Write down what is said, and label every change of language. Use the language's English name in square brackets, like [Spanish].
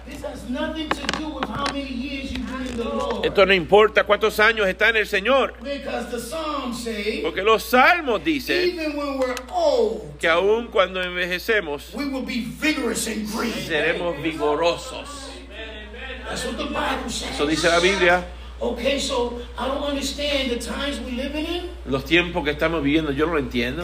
[English] This has nothing to do with how many years you've been in the Lord. [Spanish] Esto no importa cuántos años está en el Señor. [English] Because the Psalms say. [Spanish] Porque los Salmos dicen. [English] Even when we're old. [Spanish] Que aún cuando envejecemos, [English] we will be vigorous and green. [Spanish] Seremos vigorosos. [English] That's what the Bible says. [Spanish] Eso dice la Biblia. [English] Okay, so I don't understand the times we live in. [Spanish] Los tiempos que estamos viviendo, yo no lo entiendo.